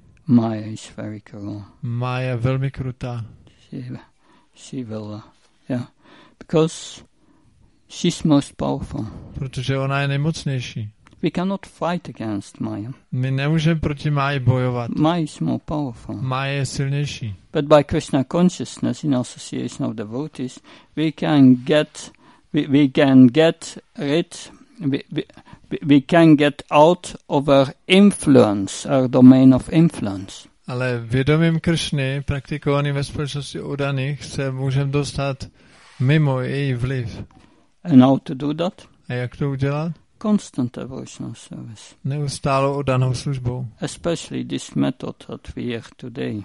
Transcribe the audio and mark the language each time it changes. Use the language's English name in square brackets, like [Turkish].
[English] Maya is very cruel. [Czech] Maya je velmi krutá. [English] She will, yeah, because she's most powerful. [Czech] Protože ona je nejmocnější. [English] We cannot fight against Maya. [Czech] My nemůžeme proti Maya bojovat. [English] Maya is more powerful. [Czech] Maya je silnější. [English] But by Krishna consciousness in association of devotees, we can get out of our influence, our domain of influence. [Czech] Ale vědomím Kršny, praktikovaným ve společnosti udaných, se můžeme dostat mimo její vliv. [English] And how to do that? [Czech] A jak to udělat? [English] Constant devotional service. [Czech] Neustálou oddanou službou. [English] Especially this method that we hear today.